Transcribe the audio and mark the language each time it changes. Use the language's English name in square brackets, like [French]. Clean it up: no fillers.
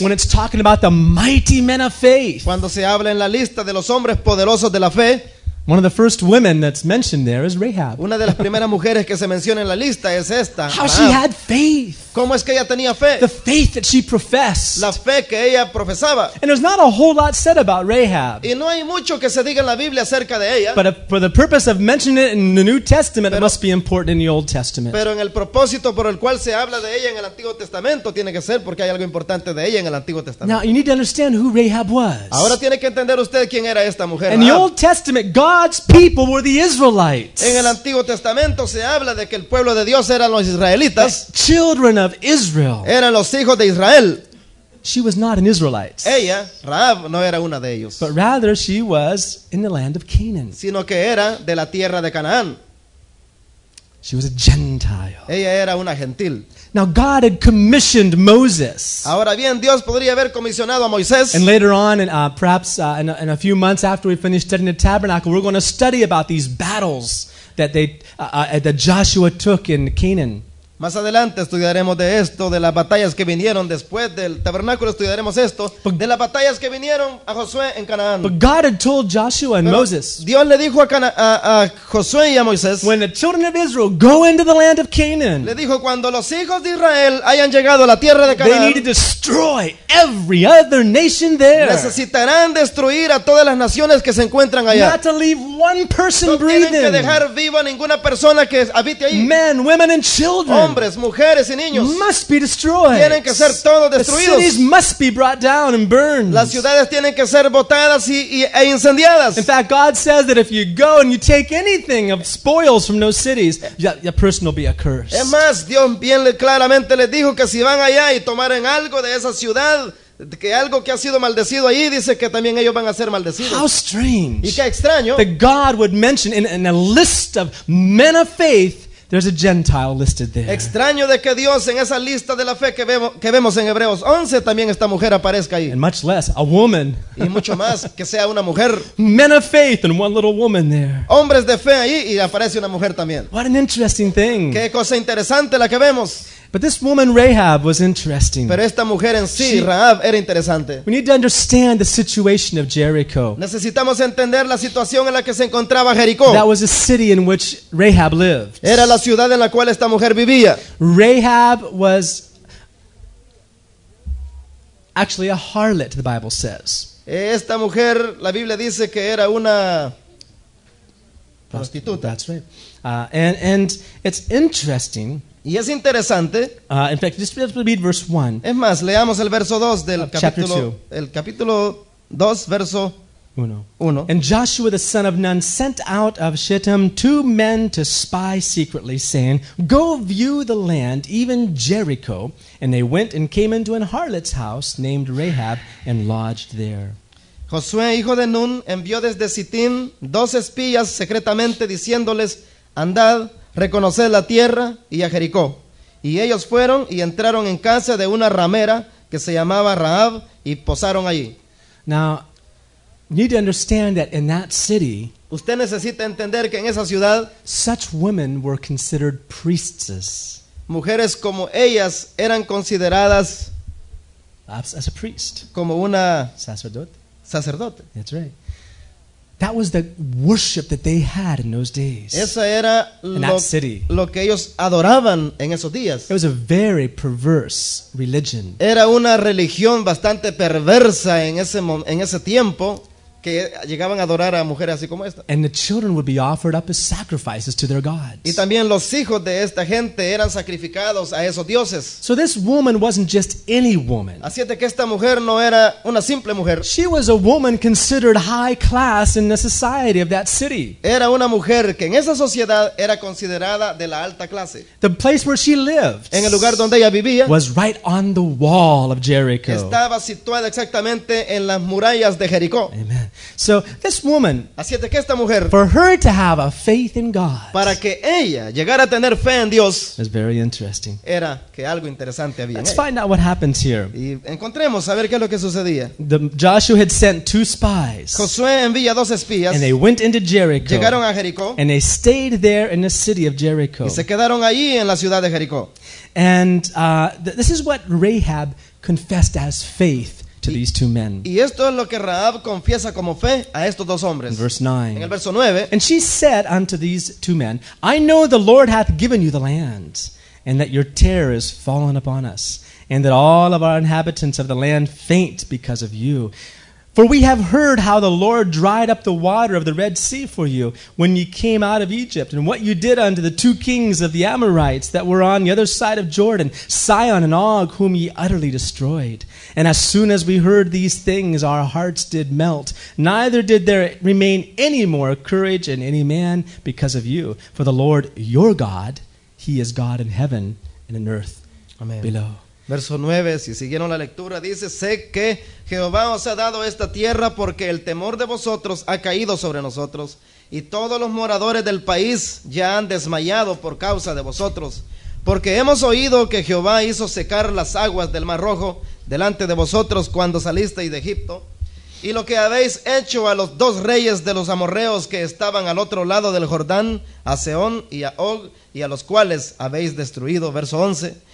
[English] When it's talking about the mighty men of faith. [Spanish] Cuando se habla en la lista de los hombres poderosos de la fe. [English] One of the first women that's mentioned there is Rahab. [Spanish] Una de las primeras mujeres que se menciona en la lista es esta. [English] How she had faith. [Spanish] ¿Cómo es que ella tenía fe? [English] The faith that she professed. [Spanish] La fe que ella profesaba. [English] And there's not a whole lot said about Rahab. [Spanish] Y no hay mucho que se diga en la Biblia acerca de ella. [English] But for the purpose of mentioning it in the New Testament, it must be important in the Old Testament. [Spanish] Pero en el propósito por el cual se habla de ella en el Antiguo Testamento tiene que ser porque hay algo importante de ella en el Antiguo Testamento. [English] Now you need to understand who Rahab was. [Spanish] Ahora tiene que entender usted quién era esta mujer. [English] In the Old Testament, God's people were the Israelites. [Spanish] En el Antiguo Testamento se habla de que el pueblo de Dios eran los israelitas. [English] The children of Israel. [Spanish] Eran los hijos de Israel. [English] She was not an Israelite. [Spanish] Ella, Rahab, no era una de ellos. [English] But rather she was in the land of Canaan. [Spanish] Sino que era de la tierra de Canaán. [English] She was a Gentile. [Spanish] Ella era una gentil. [English] Now God had commissioned Moses. [Spanish] Ahora bien, Dios podría haber comisionado a Moisés. [English] And later on, and perhaps in a few months after we finish studying the tabernacle, we're going to study about these battles that they that Joshua took in Canaan. [Spanish] Más adelante estudiaremos de esto, de las batallas que vinieron después del tabernáculo, estudiaremos esto, de las batallas que vinieron a Josué en Canaán. [English] But God had told Joshua and Moses, [Spanish] Dios le dijo a Josué y a Moisés, [English] when the children of Israel go into the land of Canaan, [Spanish] le dijo cuando los hijos de Israel hayan llegado a la tierra de Canaán, [English] they need to destroy every other nation there. [Spanish] Necesitarán destruir a todas las naciones que se encuentran allá. [English] Not to leave one person breathing. [Spanish] No tienen que dejar viva ninguna persona que habite ahí. [English] Men, women and children. [Spanish] Hombres, mujeres y niños [English] must be destroyed. [Spanish] Tienen que ser todos destruidos. [English] The cities must be brought down and burned. [Spanish] Las ciudades tienen que ser botadas e incendiadas. [English] In fact, God says that if you go and you take anything of spoils from those cities, your person will be a curse. [Spanish] Es más, Dios bien claramente les dijo que si van allá y tomaran algo de esa ciudad, que algo que ha sido maldecido ahí, dice que también ellos van a ser maldecidos. [English] How strange. [Spanish] Y qué extraño. [English] That God would mention in a list of men of faith. There's a Gentile listed there. [Spanish] Extraño de que Dios en esa lista de la fe que vemos en Hebreos 11 también esta mujer aparezca ahí. [English] And much less a woman. [Spanish] Y mucho más que sea una mujer. [English] Men of faith and one little woman there. [Spanish] Hombres de fe ahí y aparece una mujer también. [English] What an interesting thing. [Spanish] Qué cosa interesante la que vemos. [English] But this woman Rahab was interesting. [Spanish] Pero esta mujer en sí, Rahab, era interesante. [English] We need to understand the situation of Jericho. [Spanish] Necesitamos entender la situación en la que se encontraba Jericó. [English] That was a city in which Rahab lived. [Spanish] Era la ciudad en la cual esta mujer vivía. [English] Rahab was actually a harlot, the Bible says. [Spanish] Esta mujer, la Biblia dice que era una prostituta. [English] That's right. And it's interesting. [Spanish] Y es interesante. [English] In fact, just read verse 1. [Spanish] Es más, leamos el verso 2 del capítulo 2. El capítulo 2, verso 1. [English] And Joshua the son of Nun sent out of Shittim two men to spy secretly, saying, go view the land, even Jericho. And they went and came into an harlot's house named Rahab and lodged there. [Spanish] Josué, hijo de Nun, envió desde Sittim dos espías secretamente diciéndoles, andad, reconocer la tierra y a Jericó. Y ellos fueron y entraron en casa de una ramera que se llamaba Rahab y posaron allí. [English] Now, you need to understand that in that city, [Spanish] usted necesita entender que en esa ciudad, [English] such women were considered priestesses. [Spanish] Mujeres como ellas eran consideradas [English] as a priest. [Spanish] Como una sacerdote. Sacerdote. [English] That's right. That was the worship that they had in those days. [Spanish] Esa era [English] in that city. [Spanish] Lo que ellos adoraban en esos días. [English] It was a very perverse religion. [Spanish] Era una religión bastante perversa en ese tiempo que llegaban a adorar a mujeres así como esta. [English] And the children would be offered up as sacrifices to their gods. [Spanish] Y también los hijos de esta gente eran sacrificados a esos dioses. [English] So this woman wasn't just any woman. [Spanish] Así es de que esta mujer no era una simple mujer. [English] She was a woman considered high class in the society of that city. [Spanish] Era una mujer que en esa sociedad era considerada de la alta clase. [English] The place where she lived, [Spanish] en el lugar donde ella vivía, [English] was right on the wall of Jericho. [Spanish] Estaba situada exactamente en las murallas de Jericó. [English] Amen. So this woman, [Spanish] así es de que esta mujer, [English] for her to have a faith in God, [Spanish] para que ella llegara a tener fe en Dios, [English] is very interesting. [Spanish] Era que algo interesante había. [English] Let's find out what happens here. [Spanish] Y encontremos a ver qué es lo que sucedía. [English] Joshua had sent two spies. [Spanish] Josué envía dos espías. [English] And they went into Jericho. [Spanish] Llegaron a Jericó. [English] And they stayed there in the city of Jericho. [Spanish] Y se quedaron allí en la ciudad de Jericó. [English] And this is what Rahab confessed as faith to these two men. [Spanish] Y esto es lo que Rahab confiesa como fe a estos dos hombres. [English] In verse 9. [Spanish] En el verso 9. [English] And she said unto these two men, I know the Lord hath given you the land, and that your terror is fallen upon us, and that all of our inhabitants of the land faint because of you. For we have heard how the Lord dried up the water of the Red Sea for you when ye came out of Egypt, and what you did unto the two kings of the Amorites that were on the other side of Jordan, Sihon and Og, whom ye utterly destroyed. And as soon as we heard these things, our hearts did melt, neither did there remain any more courage in any man because of you. For the Lord your God, he is God in heaven and in earth Amen. Below. [Spanish] Verso 9, si siguieron la lectura, dice, sé que Jehová os ha dado esta tierra porque el temor de vosotros ha caído sobre nosotros y todos los moradores del país ya han desmayado por causa de vosotros. Porque hemos oído que Jehová hizo secar las aguas del Mar Rojo delante de vosotros cuando salisteis de Egipto y lo que habéis hecho a los dos reyes de los amorreos que estaban al otro lado del Jordán, a Seón y a Og, y a los cuales habéis destruido. Verso 11.